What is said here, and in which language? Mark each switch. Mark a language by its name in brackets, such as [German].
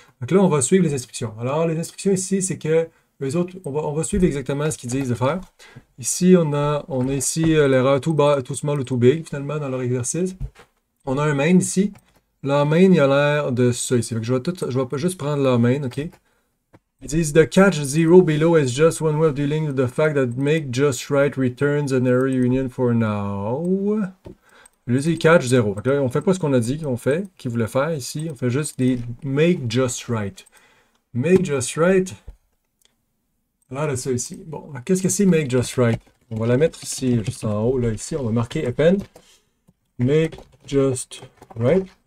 [French] Donc là, on va suivre les instructions. Alors, les instructions ici, c'est que les autres, on va suivre exactement ce qu'ils disent de faire. Ici, on a ici l'erreur too small ou too big, finalement, dans leur exercice. On a un main ici. Leur main, il a l'air de ça ici. Fait que je vais juste prendre leur main, OK? Ils disent, [English] the catch zero below is just one way of dealing with the fact that make just right returns an error union for now. [French] Lui, c'est catch 0. Là, on fait pas ce qu'on a dit qu'on fait, qu'il voulait faire ici. On fait juste des make just right. Make just right. Là, c'est ça ici. Bon, qu'est-ce que c'est make just right? On va la mettre ici, juste en haut. Là, ici, on va marquer append. Make just right.